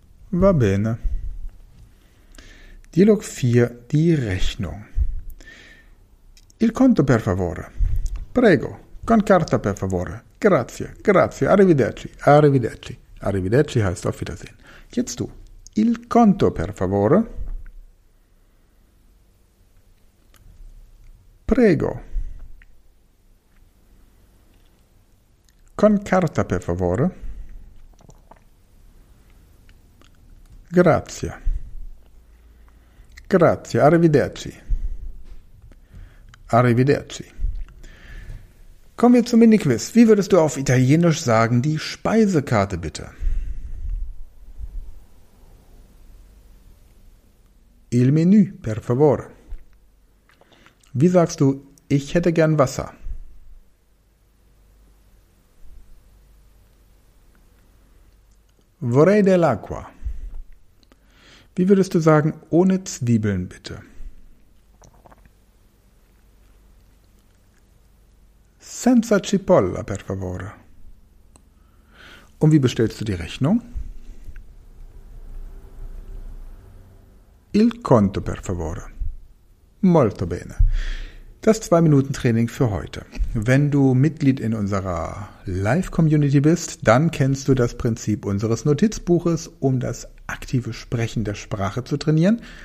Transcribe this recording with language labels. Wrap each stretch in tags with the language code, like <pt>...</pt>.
<it>Va bene.</it> <de>Dialog 4, die Rechnung.</de> <it>Il conto, per favore. Prego, con carta per favore. Grazie, grazie, arrivederci, arrivederci.</it> <de>Arrivederci heißt auf Wiedersehen. Jetzt du.</de> <it>Il conto per favore. Prego. Con carta per favore. Grazie. Grazie, arrivederci. Arrivederci.</it> <de>Kommen wir zum Mini-Quiz. Wie würdest du auf Italienisch sagen, die Speisekarte bitte?</de> <it>Il menu, per favore.</it> <de>Wie sagst du, ich hätte gern Wasser?</de> <it>Vorrei dell'acqua.</it> <de>Wie würdest du sagen, ohne Zwiebeln bitte?</de> <it>Senza cipolla, per favore.</it> <de>Und wie bestellst du die Rechnung?</de> <it>Il conto, per favore. Molto bene.</it> <de>Das 2-Minuten-Training für heute. Wenn du Mitglied in unserer Live-Community bist, dann kennst du das Prinzip unseres Notizbuches, um das aktive Sprechen der Sprache zu trainieren.</de>